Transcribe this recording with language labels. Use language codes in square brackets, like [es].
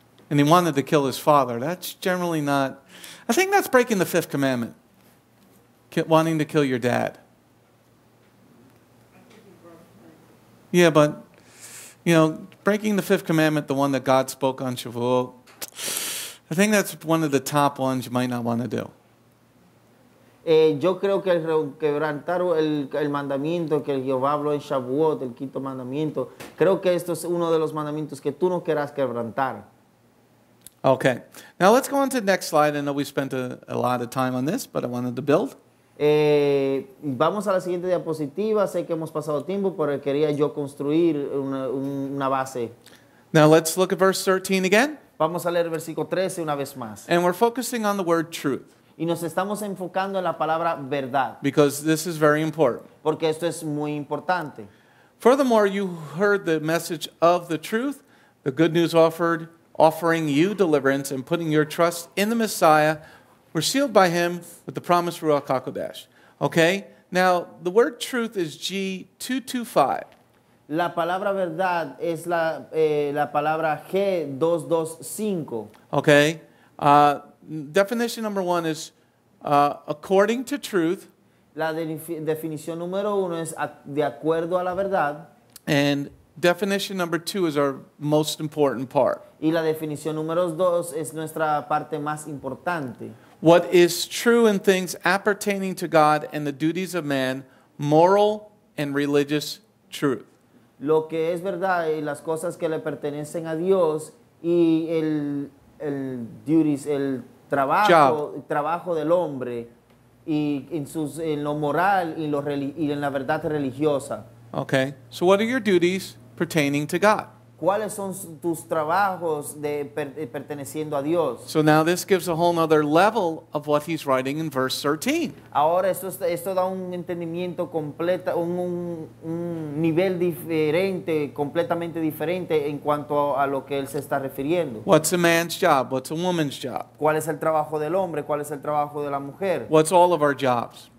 [en] And he wanted to kill his father. That's generally not... I think that's breaking the fifth commandment. Wanting to kill your dad. Yeah, but... You know, breaking the fifth commandment, the one that God spoke on Shavuot. I think that's one of the top ones you might not want to do. [es] Yo creo que quebrantar el mandamiento que Jehová habló en Shavuot, el quinto mandamiento. Creo que esto es uno de los mandamientos que tú no querrás quebrantar. [en] Okay, now let's go on to the next slide. I know we spent a lot of time on this, but I wanted to build. [es] Vamos a la siguiente diapositiva. Sé que hemos pasado tiempo, pero quería yo construir una base. [en] Now let's look at verse 13 again. [es] Vamos a leer el versículo 13 una vez más. [en] And we're focusing on the word truth. [es] Y nos estamos enfocando en la palabra verdad. [en] Because this is very important. [es] Porque esto es muy importante. [en] Furthermore, you heard the message of the truth, the good news offered, offering you deliverance and putting your trust in the Messiah, were sealed by him with the promise Ruach HaKodesh. Okay? Now, the word truth is G225. [es] La palabra verdad es la palabra G225. [en] Okay? definition number one is according to truth. [es] La definición número uno es de acuerdo a la verdad. [en] And definition number two is our most important part. [es] Y la definición número dos es nuestra parte más importante. [en] What is true in things appertaining to God and the duties of man, moral and religious truth. [es] Lo que es verdad y las cosas que le pertenecen a Dios y el duties, el trabajo, el trabajo del hombre y en sus en lo moral y lo y en la verdad religiosa. [en] Okay. So what are your duties pertaining to God? [es] ¿Cuáles son tus trabajos de perteneciendo a Dios? [en] So now this gives a whole other level of what he's writing in verse 13. [es] Ahora esto da un entendimiento completo, un nivel diferente, completamente diferente en cuanto a lo que él se está refiriendo. [en] What's a man's job? What's a woman's job? [es] ¿Cuál es el trabajo del hombre? ¿Cuál es el trabajo de la mujer? [en] What's all of our jobs?